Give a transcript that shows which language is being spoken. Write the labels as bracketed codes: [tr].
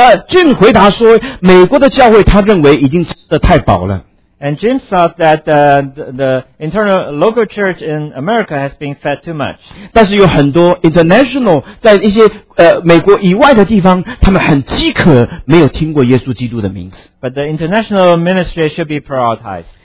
[zh] Jim 回答说美国的教会他认为已经吃得太饱了。 [en] And Jim thought that the internal local church in America has been fed too much. [zh] 但是有很多 [en] international [zh] 在一些美国以外的地方他们很饥渴没有听过耶稣基督的名字。 [en] But the international ministry should be prioritized.